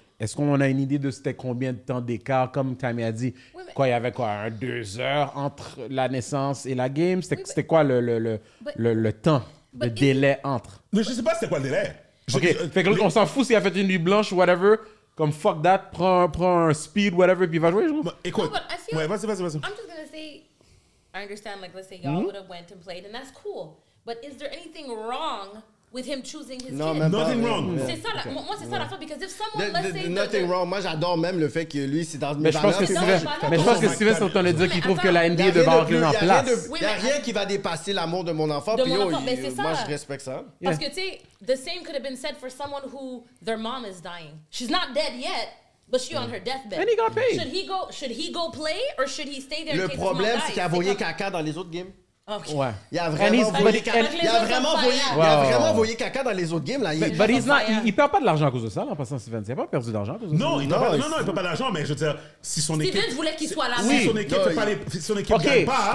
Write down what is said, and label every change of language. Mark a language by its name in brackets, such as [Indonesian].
[French] Est-ce qu'on a une idée de c'était combien de temps d'écart, comme Tammy a dit? Oui, mais... Quoi, il y avait quoi, 2 heures entre la naissance et la game? C'était quoi le temps, le délai entre? Mais je ne sais pas c'était quoi le délai. On s'en fout s'il a fait une nuit blanche, whatever. Comme fuck that, prends un speed, whatever, puis va jouer, je crois. Vas-y. [English] I'm just going to say, I understand, like, let's say y'all would have went and played, and that's cool. But is there anything wrong with him choosing his kid? Nothing wrong. [French] C'est ça, moi, c'est ça la fin. [English] Because if someone, let's say... Nothing wrong. [French] Moi, j'adore même le fait que lui, c'est dans mes valeurs. Mais je pense que Steven, c'est en train de dire qu'il trouve que la NBA devrait avoir une place. Il n'y a rien qui va dépasser l'amour de mon enfant. De mon enfant, mais c'est ça. Moi, je respecte ça. [English] Parce que, tu sais, the same could have been said for someone who their mom is dying. She's not dead yet, but she on her deathbed. And he got paid. Should he go play or should he stay there? [French] Le problème, c'est qu'il a voyé caca dans les autres games. Okay. Ouais. Il a vraiment voyé caca dans les autres games là. Il perd pas de l'argent à cause de ça là, en passant Steven. Il a pas perdu d'argent à cause de ça. Non, il perd pas d'argent, mais je veux dire, si son équipe Steven voulait qu'il soit là, si son équipe gagne pas.